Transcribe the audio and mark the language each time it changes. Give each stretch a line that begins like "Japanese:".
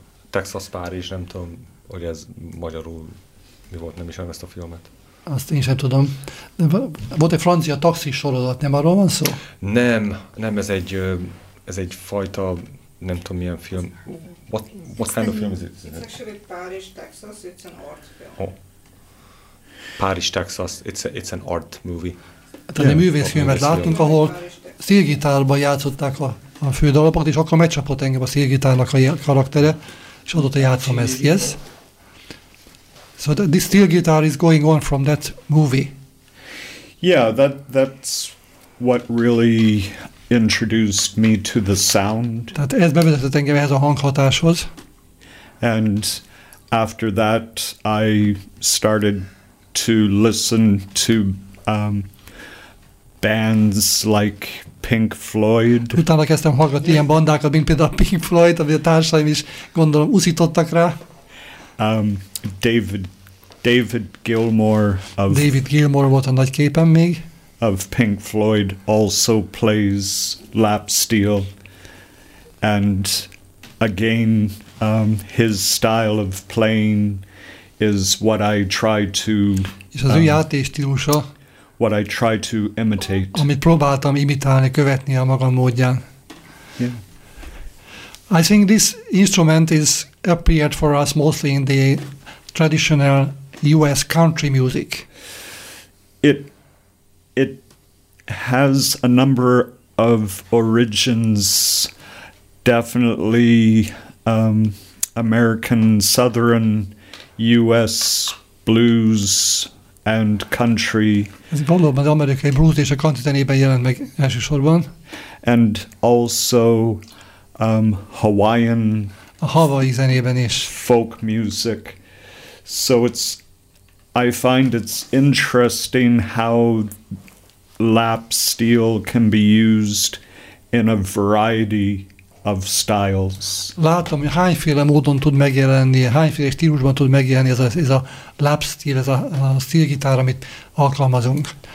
Hungarian: Texas Paris, nem tudom, hogy ez magyarul mi volt, nem ismerem ezt a filmet. Azt én sem tudom. De volt egy francia taxis sorozat, nem arról van szó? Nem, ez egy fajta, nem tudom milyen film.
English: What kind of film is it? It's actually Paris, Texas, it's an art film. Oh. Paris, Texas, it's an art movie.
Hungarian: Tehát egy művészfilmet láttunk, ahol szélgitárban játszották a fő dalapot, és akkor megcsapott engem a szélgitárnak a karaktere, és adott a játszómezt, yes?
English: So the steel guitar is going on from that movie. Yeah, that's what really introduced me to the sound.
Hungarian: Tehát ez bevezetett engem ehhez a hanghatáshoz.
English: And after that I started to listen to bands like Pink Floyd.
Hungarian: Utána kezdtem hallgatni ilyen bandákat, mint például Pink Floyd, ami a társaim is gondolom uszítottak rá.
English: David Gilmour
Hungarian: volt a nagy képen még.
English: Of Pink Floyd also plays lap steel, and again his style of playing is what I try to.
Hungarian: És az ő játékstílusa.
English: What I try to imitate.
Hungarian: Amit próbáltam imitálni, követni a magam módján.
English: Yeah. I think this instrument is appeared for us mostly in the traditional U.S. country music. It has a number of origins, definitely American Southern U.S. blues and country.
Hungarian: Ez valóban az amerikai blues és a country zenében jelent meg elsősorban.
English: And also Hawaiian.
Hungarian: A Hawaii zenében is.
English: Folk music. So it's, I find it's interesting how lap steel can be used in a variety of styles.
Hungarian: Látom, hogy hányféle módon tud megjelenni, hányféle stílusban tud megjelenni ez a lap steel, ez a steel gitár, amit alkalmazunk.